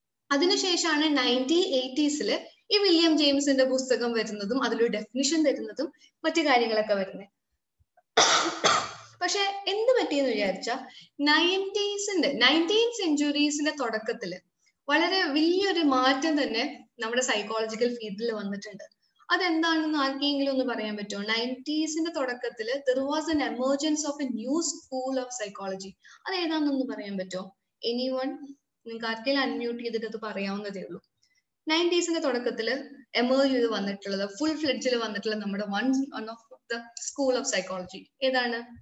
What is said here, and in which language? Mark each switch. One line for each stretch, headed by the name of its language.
Malayalam: അതിനുശേഷമാണ് 1980s ഈ William ജെയിംസിന്റെ പുസ്തകം വരുന്നതും അതിലൊരു ഡെഫിനിഷൻ തരുന്നതും മറ്റു കാര്യങ്ങളൊക്കെ വരുന്നത്. പക്ഷെ എന്ത് പറ്റിയെന്ന് വിചാരിച്ച, 19th century തുടക്കത്തില് വളരെ വലിയൊരു മാറ്റം തന്നെ നമ്മുടെ സൈക്കോളജിക്കൽ ഫീൽഡിൽ വന്നിട്ടുണ്ട്. അതെന്താണെന്ന് ആർക്കെങ്കിലും ഒന്ന് പറയാൻ പറ്റുമോ?
English: 90s തുടക്കത്തിൽ there was an emergence of a new school of psychology.
Malayalam: അത് ഏതാണെന്നൊന്ന് പറയാൻ പറ്റുമോ? നിങ്ങൾക്ക് ആർക്കെങ്കിലും അൺമ്യൂട്ട് ചെയ്തിട്ട് അത് പറയാവുന്നതേ ഉള്ളൂ. 90s തുടക്കത്തിൽ എമേർജ് ചെയ്ത് വന്നിട്ടുള്ളത്, ഫുൾ ഫ്ലെഡ്ജിൽ വന്നിട്ടുള്ള നമ്മുടെ
English: one of the school of psychology
Malayalam: ഏതാണ്?